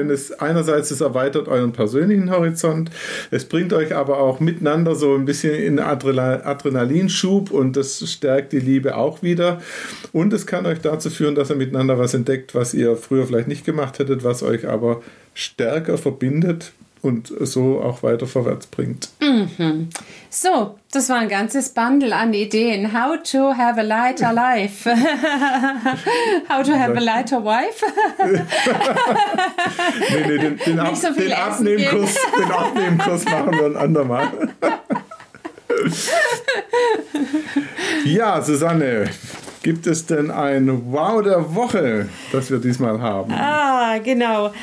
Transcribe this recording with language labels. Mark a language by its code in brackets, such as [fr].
[de] Denn es erweitert euren persönlichen Horizont. Es bringt euch aber auch miteinander so ein bisschen in Adrenalinschub und das stärkt die Liebe auch wieder. Und es kann euch dazu führen, dass ihr miteinander was entdeckt, was ihr früher vielleicht nicht gemacht hättet, was euch aber stärker verbindet und so auch weiter vorwärts bringt. So, das war ein ganzes Bundle an Ideen. [en] How to have a lighter life. How to have a lighter wife. [de] Nee, den Abnehmkurs, den Abnehmkurs machen wir ein andermal. Ja, Susanne, gibt es denn ein Wow der Woche, das wir diesmal haben? Ah, genau.